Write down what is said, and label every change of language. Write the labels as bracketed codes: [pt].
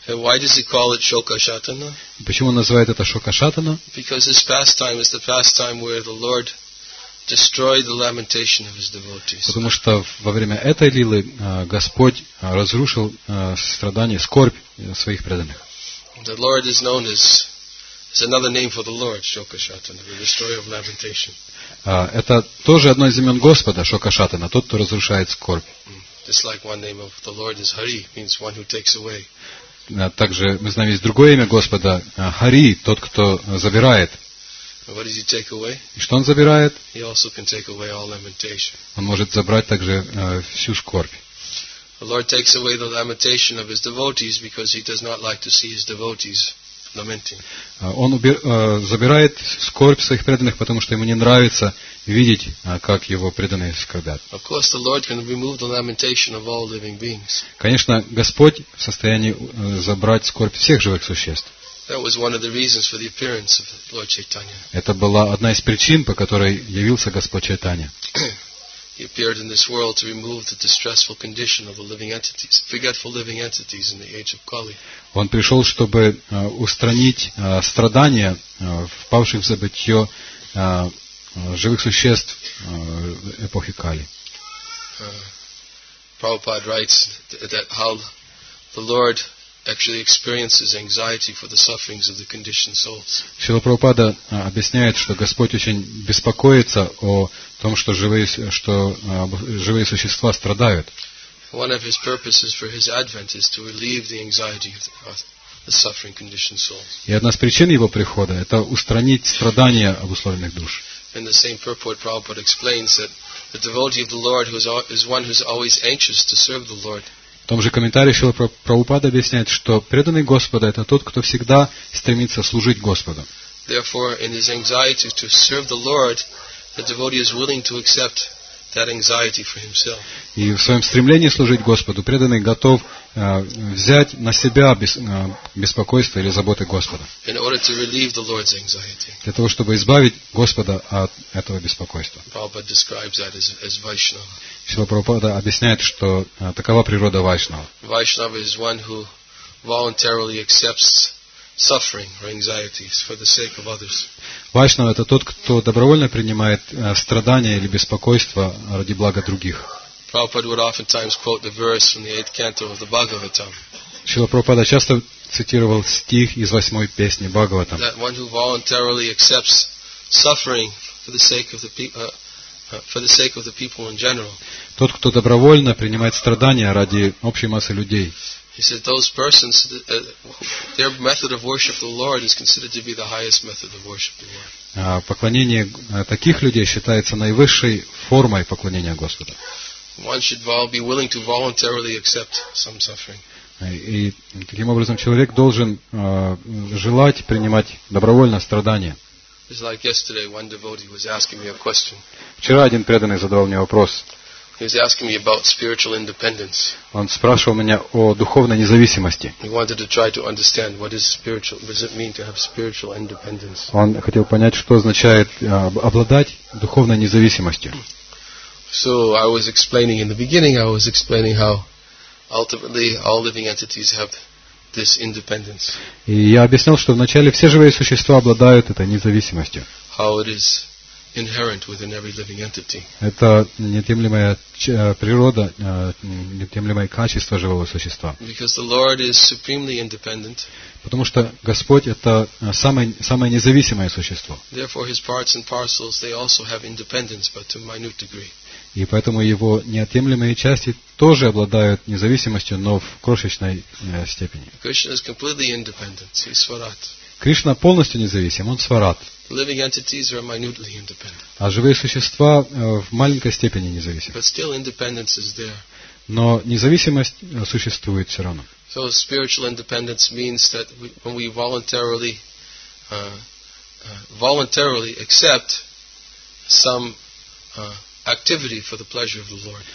[en] And why does he call it Shoka Shatana? [ru] Почему он называет это Шока Шатана? [en] Because his pastime is the pastime where the Lord destroyed the lamentation of his devotees. [ru] Потому что во время этой лилы Господь разрушил страдания, скорбь своих преданных. [en] The Lord is known as is another name for the Lord, Shoka Shatana, the destroyer of lamentation. [ru] Это тоже одно из имен Господа, Шока Шатана, тот, кто разрушает скорбь. [en] Just like one name of the Lord is Hari, means one who takes away. [ru] Также мы знаем есть другое имя Господа, Хари, тот, кто забирает. [en] What does he take away? [ru] И что он забирает? [en] He also can take away all lamentation. [ru] Он может забрать также всю скорбь. [en] The Lord takes away the lamentation of his devotees because he does not like to see his devotees lamenting. [ru] Он забирает скорбь своих преданных, потому что ему не нравится видеть, как его преданные скорбят. [en] Of course, the Lord can remove the lamentation of all living beings. [ru] Конечно, Господь в состоянии забрать скорбь всех живых существ. [en] That was one of the reasons for the appearance of Lord Chaitanya. [ru] Это была одна из причин, по которой явился Господь Чайтанья. [en] He appeared in this world to remove the distressful condition of the living entities, forgetful living entities in the age of Kali. [ru] Он пришел, чтобы устранить страдания впавших в забытье живых существ эпохи Кали. [en] Prabhupada writes that how the Lord actually experiences anxiety for the sufferings of the conditioned souls. [ru] Шрила Прабхупада объясняет, что Господь очень беспокоится о том, что живые существа страдают. [en] One of his purposes for his advent is to relieve the anxiety of the suffering conditioned souls. [ru] И одна из причин его прихода это устранить страдания обусловленных душ. [en] In the same purport, Prabhupada explains that the devotee of the Lord who is one who is always anxious to serve the Lord. [ru] В том же комментарии Шрила Прабхупада объясняет, что преданный Господа это тот, кто всегда стремится служить Господу. [en] Therefore, in his anxiety to serve the Lord, the devotee is willing to accept that anxiety for himself. [ru] И в своем стремлении служить Господу преданный готов взять на себя беспокойство или заботы Господа. [en] In order to relieve the Lord's anxiety. [ru] Для того, чтобы избавить Господа от этого беспокойства. [en] Prabhupada describes that as Vaishnava. [ru] Шрила Прабхупада объясняет, что такова природа Вайшнава. [en] Vaishnava is one who voluntarily accepts suffering or anxieties for the sake of others. [ru] Вайшнава это тот, кто добровольно принимает страдания или беспокойство ради блага других. [en] Prabhupada would oftentimes quote the verse from the 8th canto of the Bhagavatam. [ru] Шрила Прабхупада часто цитировал стих из восьмой песни Бхагаватам. [en] That one who voluntarily accepts suffering for the sake of the people. For the sake of the people in general. [ru] Тот, кто добровольно принимает страдания ради общей массы людей. [en] He said those persons, their method of worship the Lord is considered to be the highest method of worship the Lord. [ru] Поклонение таких людей считается наивысшей формой поклонения Господу. [en] One should be willing to voluntarily accept some suffering. [ru] И таким образом человек должен желать принимать добровольно страдания. [en] It's like yesterday, one devotee was asking me a question. [ru] Вчера один преданный задавал мне вопрос. [en] He was asking me about spiritual independence. [ru] Он спрашивал меня о духовной независимости. [en] He wanted to try to understand what is spiritual. What does it mean to have spiritual independence? [ru] Он хотел понять, что означает обладать духовной независимостью. [en] So I was explaining in the beginning. I was explaining how ultimately all living entities have this independence. [ru] И я объяснял, что вначале все живые существа обладают этой независимостью. [en] How it is inherent within every living entity. [ru] Это неотъемлемая природа, неотъемлемое качество живого существа. [en] Because the Lord is supremely independent. [ru] Потому что Господь это самое независимое существо. [en] Therefore, his parts and parcels they also have independence, but to a minute degree. [ru] И поэтому его неотъемлемые части тоже обладают независимостью, но в крошечной степени. [en] Krishna is completely independent. He's Swarat. [ru] Кришна полностью независим, он Сварат. [en] Living entities are minutely independent. [ru] А живые существа в маленькой степени независимы. [en] But still independence is there. [ru] Но независимость существует все равно. [en] So spiritual independence means that when we voluntarily accept some activity for the pleasure of the Lord.